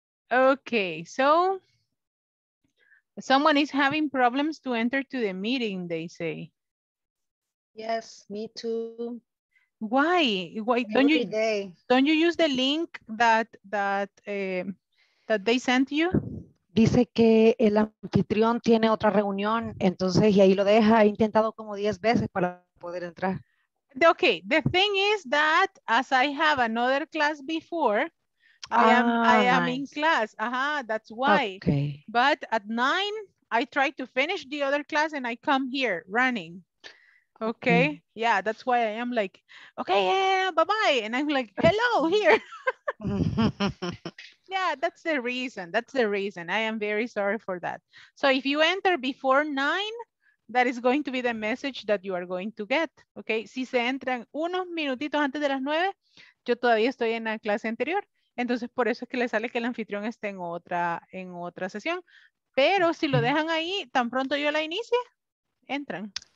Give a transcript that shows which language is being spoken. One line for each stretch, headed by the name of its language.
English: Okay, so someone is having problems to enter to the meeting, they say. Yes, me too. Why? Why don't every you day. Don't you use the link that they sent you?
Spanish: Dice que el anfitrión tiene otra reunión, entonces y ahí lo deja. He intentado como 10 veces para poder entrar.
English: Okay, the thing is that as I have another class before, I am in class. Uh-huh, that's why. Okay. But at 9, I try to finish the other class and I come here running. Okay. Mm. Yeah, that's why I am like, okay, yeah, bye-bye. And I'm like, hello, here. Yeah, that's the reason. That's the reason. I am very sorry for that. So if you enter before 9, that is going to be the message that you are going to get. Okay.
Spanish: Si se entran unos minutitos antes de las 9, yo todavía estoy en la clase anterior. Entonces, por eso es que le sale que el anfitrión esté en otra sesión. Pero si lo dejan ahí, tan pronto yo la inicie, entran.